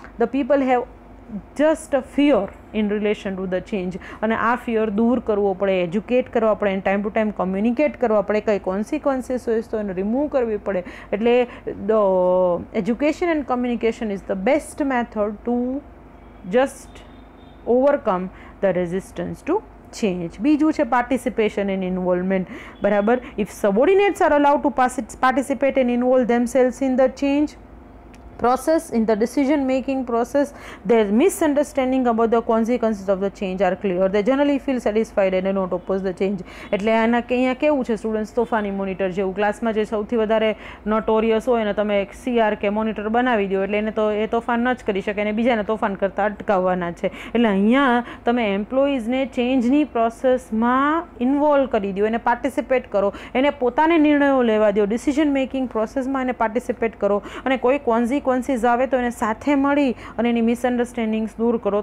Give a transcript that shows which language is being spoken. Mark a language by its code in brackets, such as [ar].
[en] the people have just a fear in relation to the change, [gu] અને આ fear દૂર કરવો પડે, એજ્યુકેટ કરવા પડે, ટાઈમ ટુ ટાઈમ કોમ્યુનિકેટ કરવા પડે, કઈ કોન્સિક્વન્સીસ હોય તો એને રિમૂવ કરવી પડે. [en] એટલે the education and communication is the best method to just overcome the resistance to change. [gu] બીજું છે પાર્ટિસિપેશન એન્ડ ઇન્વોલ્વમેન્ટ, બરાબર. [en] If subordinates are allowed to participate and involve themselves in the change process, in the decision making process, their misunderstanding about the consequences of the change are clear, they generally feel satisfied and not oppose the change. [gu] એટલે આના અહીંયા કેવું છે students, તોફાની monitor જેવું, ક્લાસમાં જે સૌથી વધારે નોટોરિયસ હોય ને તમે એક સીઆર કે મોનિટર બનાવી દો, એટલે એને તો એ તોફાન ન જ કરી શકે, એને બીજાને તોફાન કરતાં અટકાવવાના છે. એટલે અહીંયા તમે એમ્પ્લોઈઝને ચેન્જની પ્રોસેસમાં ઇન્વોલ્વ કરી દો, એને પાર્ટિસિપેટ કરો, એને પોતાને નિર્ણયો લેવા દો, ડિસિઝન મેકિંગ પ્રોસેસમાં એને પાર્ટિસિપેટ કરો, અને કોઈ કોન્સિક્વન્સીસ આવે તો એને સાથે મળી અને એની મિસઅન્ડરસ્ટેન્ડિંગ્સ દૂર કરો.